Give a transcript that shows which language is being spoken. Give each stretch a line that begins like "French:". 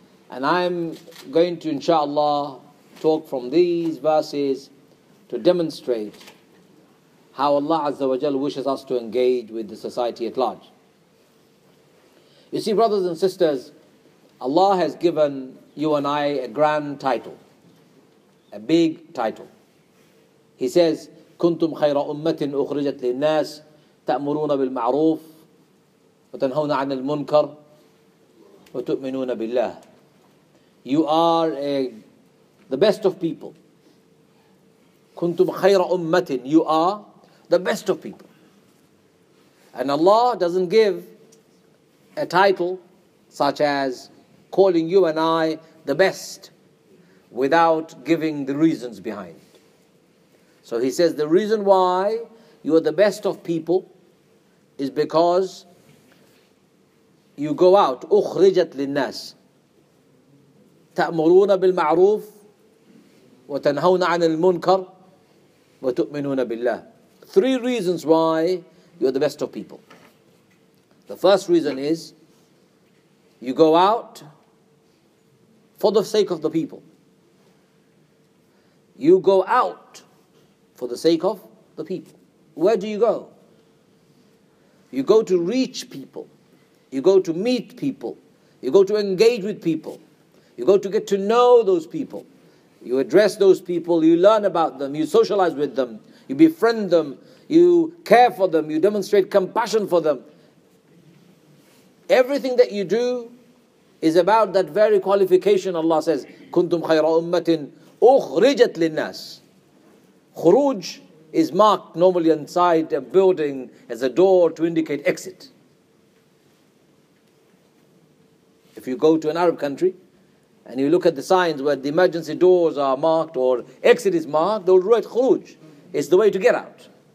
English: And I'm going to, inshallah, talk from these verses to demonstrate how Allah Azza wa Jal wishes us to engage with the society at large. You see, brothers and sisters, Allah has given you and I a grand title, a big title. He says,
Arabic: كنتم خير أمة أخرجت للناس تأمرون بالمعروف وتنهون عن المنكر وتؤمنون بالله.
English: You are the best of people.
Arabic: كنتم خير أمة.
English: You are the best of people. And Allah doesn't give a title such as calling you and I the best without giving the reasons behind. So he says the reason why you are the best of people is because you go out.
Arabic: أخرجت للناس تأمرون بالمعروف وتنهون عن المنكر وتؤمنون بالله.
English: Three reasons why you are the best of people. The first reason is you go out for the sake of the people. You go out for the sake of the people. Where do you go? You go to reach people. You go to meet people. You go to engage with people. You go to get to know those people. You address those people. You learn about them. You socialize with them. You befriend them. You care for them. You demonstrate compassion for them. Everything that you do is about that very qualification. Allah says,
Arabic: كنتم خير أمتٍ أخرجت للناس.
English: Khuruj is marked normally inside a building as a door to indicate exit. If you go to an Arab country and you look at the signs where the emergency doors are marked or exit is marked, they'll write Khuruj. It's the way to get out.